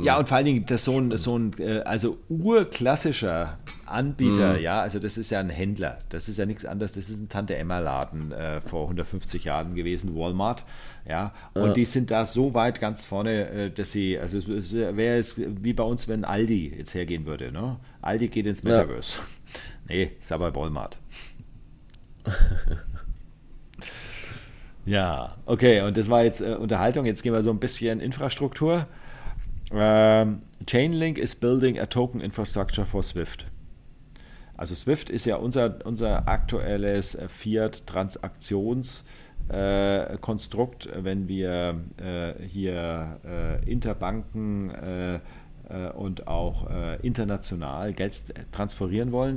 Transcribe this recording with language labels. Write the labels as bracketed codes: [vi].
[de] ja, und vor allen Dingen, dass so ein also urklassischer Anbieter, ja, also das ist ja ein Händler, das ist ja nichts anderes, das ist ein Tante-Emma-Laden vor 150 Jahren gewesen, Walmart, ja, und die sind da so weit ganz vorne, dass sie, also es wäre es wie bei uns, wenn Aldi jetzt hergehen würde, ne? Aldi geht ins Metaverse. Ja. Nee, ist aber Walmart. Ja, okay, und das war jetzt Unterhaltung. Jetzt gehen wir so ein bisschen Infrastruktur. [en] Chainlink is building a token infrastructure for Swift. [de] Also Swift ist ja unser aktuelles Fiat-Transaktionskonstrukt, wenn wir hier Interbanken und auch international Geld transferieren wollen.